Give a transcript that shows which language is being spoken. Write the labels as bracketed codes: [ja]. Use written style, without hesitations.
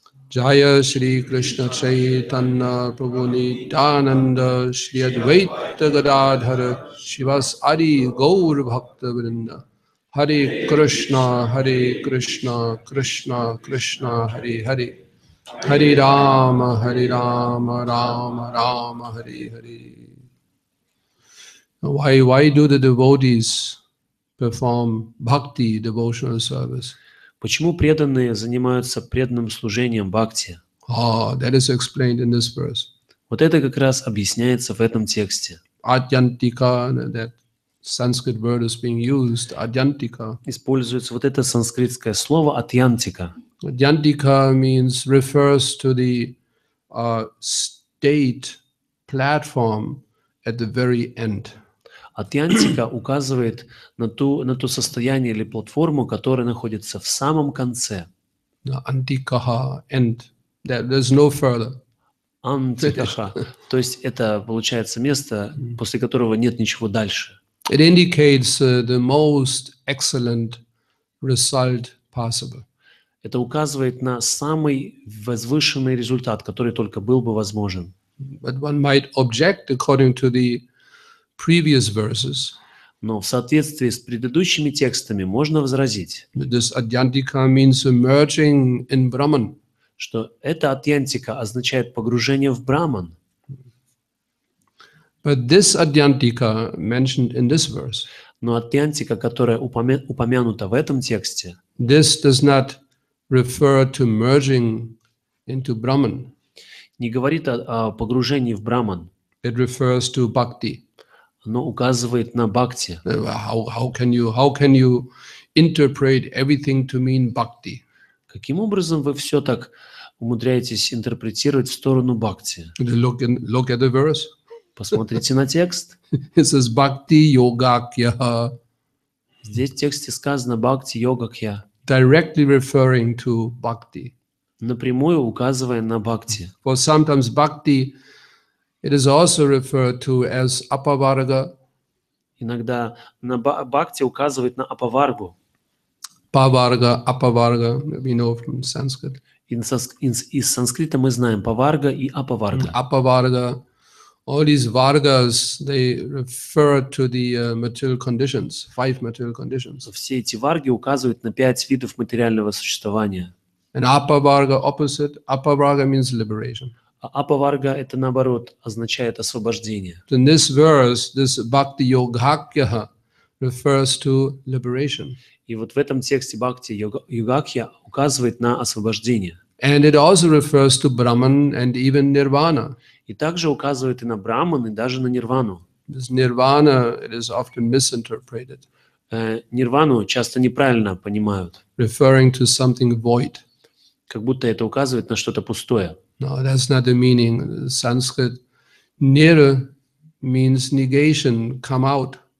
[sa] Джая Шри Кришна Чайтана Прабху Нитянанда Шри Адвайта Гададхара Шивас Ари Гаур Бхакта Вринда Хари Кришна Хари Кришна Кришна Кришна Хари Хари Хари Рама Хари Рама Рама Рама Хари Хари. [en] Why do the devotees perform bhakti, devotional service? [ru] Почему преданные занимаются преданным служением бхакти? [en] Oh, that is explained in this verse. [ru] Вот это как раз объясняется в этом тексте. [en] Атьянтика, that Sanskrit word is being used, атьянтика. [ru] Используется вот это санскритское слово атьянтика. [en] Атьянтика means refers to the state platform at the very end. [ru] Атьянтика указывает на то состояние или платформу, которая находится в самом конце. [en] Антикаха, end. There's no further. [ru] Антикаха. То есть это получается место, после которого нет ничего дальше. [en] It indicates the most excellent result possible. [ru] Это указывает на самый возвышенный результат, который только был бы возможен. [en] But one might object according to the previous verses. [ru] Но в соответствии с предыдущими текстами можно возразить. [en] This adhyantika means emerging in Brahman. [ru] Что эта адьянтика означает погружение в Брахман. [en] But this adhyantika mentioned in this verse. [ru] Но адьянтика, которая упомянута в этом тексте. [en] This does not refer to merging into Brahman. [ru] Не говорит о погружении в Брахман. [en] It refers to bhakti. [ru] Но указывает на бхакти. [en] How can you interpret everything to mean bhakti? [ru] Каким образом вы все так умудряетесь интерпретировать в сторону бхакти? [en] Look at the verse. [ru] Посмотрите на текст. [en] It says bhakti yoga kya. [ru] Здесь в тексте сказано bhakti yoga kya. [en] Directly referring to bhakti. [ru] Напрямую указывая на бхакти. [en] For sometimes bhakti it is also referred to as apavarga. [ru] Иногда на бхакти указывает на апаваргу. [en] Паварга, апаварга, we know from Sanskrit. [ru] Из санскрита мы знаем паварга и апаварга. [en] Апаварга, all these варгас, they refer to the material conditions, five material conditions. [ru] Все эти варги указывают на пять видов материального существования. [en] And апаварга opposite, апаварга means liberation. [ru] А апаварга это наоборот означает освобождение. [en] In this verse, this bhakti yogakya refers to liberation. [ru] И вот в этом тексте бхакти йогакья указывает на освобождение. [en] And it also refers to Brahman and even Nirvana. [ru] И также указывает и на Брахман, и даже на Нирвану. [en] This Nirvana it is often misinterpreted. [ru] Нирвану часто неправильно понимают. [en] Referring to something void. [ru] Как будто это указывает на что-то пустое. [en] No, that's not the meaning. Sanskrit nir means negation, come out.